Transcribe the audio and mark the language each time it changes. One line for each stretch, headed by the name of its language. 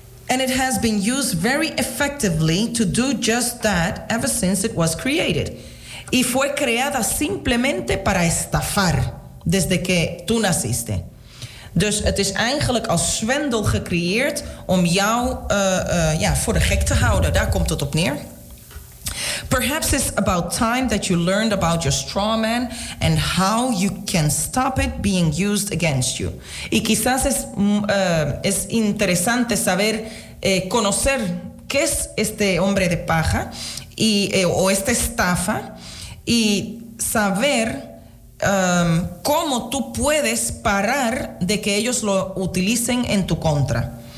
English: And it has been used very effectively to do just that ever since it was created.
Spanish: Y fue creada simplemente para estafar desde que tú naciste.
Dutch: Dus het is eigenlijk als zwendel gecreëerd om jou voor de gek te houden. Daar komt het op neer.
English: Perhaps it's about time that you learned about your straw man and how you can stop it being used against you.
Spanish: Y quizás es interesante saber, conocer qué es este hombre de paja o esta estafa. Y saber cómo tú puedes parar de que ellos lo utilicen en tu contra.